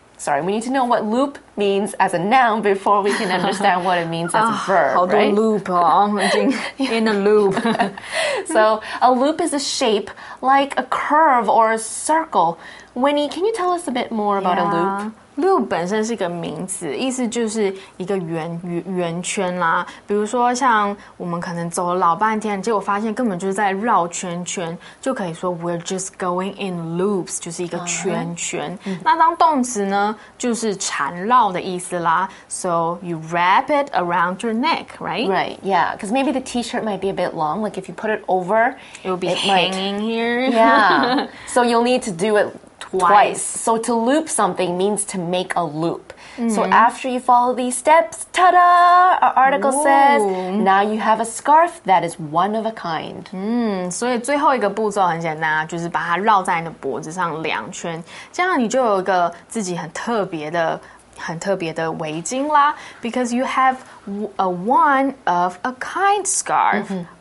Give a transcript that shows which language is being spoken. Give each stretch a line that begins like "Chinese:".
English: Sorry, we need to know what loop means as a noun before we can understand what it means as a verb, right? How do loop? I'm looking in a loop. So a loop is a shape like a curve or a circle. Winnie, can you tell us a bit more about a loop?
Chinese: Loop 本身是一个名词，意思就是一个 圆圈啦。比如说像我们可能走了老半天，结果发现根本就是在绕圈圈，就可以说
English: we're just going in loops，
Chinese: 就是一个圈圈。那当动词呢，就是缠绕的意思啦。
English: So you wrap it around your neck, right? Right, yeah. Because maybe the t-shirt might be a bit long. Like if you put it over, it will be hanging here. Yeah. So you'll need to do it... Twice. So to loop something means to make a loop. Mm-hmm. So after you follow these steps, ta-da! Our article says, now you have a scarf that is one of a kind.
Chinese: 所以最后一个步骤很简单啊，就是把它绕在你的脖子上两圈，这样你就有一个自己很特别的很特别的围巾啦。
English: Because you have a one of a kind scarf.